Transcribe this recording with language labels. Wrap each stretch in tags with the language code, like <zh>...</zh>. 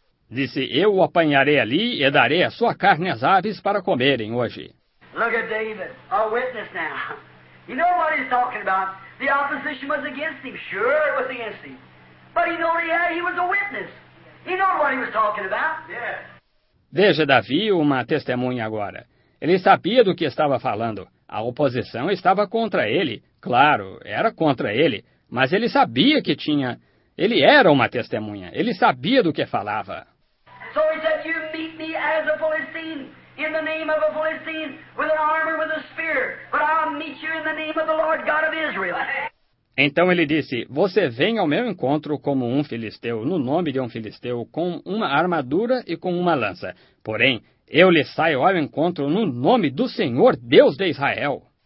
<pt>Disse, eu o apanharei ali e darei a sua carne às aves para comerem hoje.</pt> <en>Look at David, a witness now. You know what he's talking about? The opposition was against him. Sure, it was against him. But he knew he was a witness. He knew what he was talking about. Yeah.</en> <pt>Veja Davi, uma testemunha agora. Ele sabia do que estava falando. A oposição estava contra ele. Claro, era contra ele. Mas ele sabia que tinha... Ele era uma testemunha. Ele sabia do que falava.</pt> <en>So he said, you meet me as a Philistine. In the name of a Philistine, with an armor, with a spear. But I'll meet you in the name of the Lord God of Israel.</en> <pt>Então ele disse, você vem ao meu encontro como um filisteu, no nome de um filisteu, com uma armadura e com uma lança. Porém, eu lhe saio ao encontro no nome do Senhor Deus de Israel.</pt>